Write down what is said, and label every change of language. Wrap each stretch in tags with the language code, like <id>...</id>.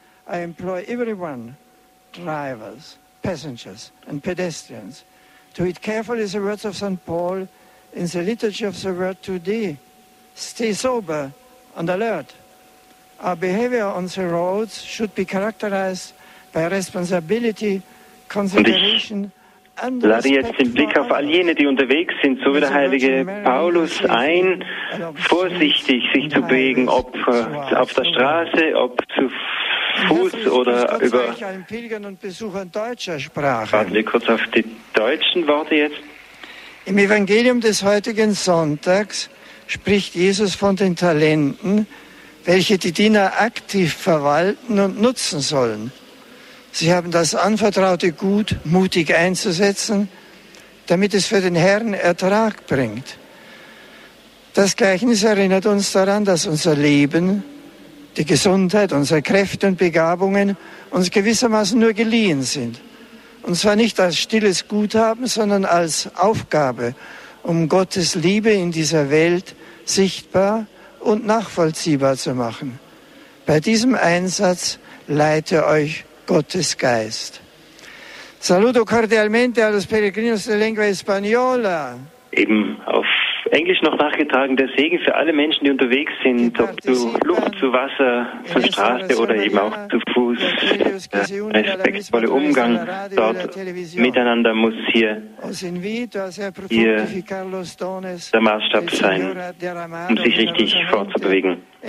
<en>I employ everyone, drivers, passengers, and pedestrians, to heed carefully the words of St. Paul in the liturgy of the word today. Stay sober and alert. Our behavior on the roads should be characterized by responsibility, consideration,</en> <de>und ich lade jetzt den Blick auf all jene, die unterwegs sind, so wie der heilige Paulus ein, vorsichtig sich zu bewegen, ob auf der Straße, ob zu Fuß oder über. Warten wir kurz auf die deutschen Worte jetzt. Im Evangelium des heutigen Sonntags spricht Jesus von den Talenten, welche die Diener aktiv verwalten und nutzen sollen. Sie haben das anvertraute Gut mutig einzusetzen, damit es für den Herrn Ertrag bringt. Das Gleichnis erinnert uns daran, dass unser Leben, die Gesundheit, unsere Kräfte und Begabungen uns gewissermaßen nur geliehen sind. Und zwar nicht als stilles Guthaben, sondern als Aufgabe, um Gottes Liebe in dieser Welt sichtbar und nachvollziehbar zu machen. Bei diesem Einsatz leite euch Gottes Geist.</de> <es>Saluto cordialmente a los peregrinos de lengua española.</es> <de>Eben auf Englisch noch nachgetragen, der Segen für alle Menschen, die unterwegs sind, ob zu Luft, zu Wasser, zur Straße oder eben auch zu Fuß. Der respektvolle Umgang dort miteinander muss hier der Maßstab sein, um sich richtig fortzubewegen.</de>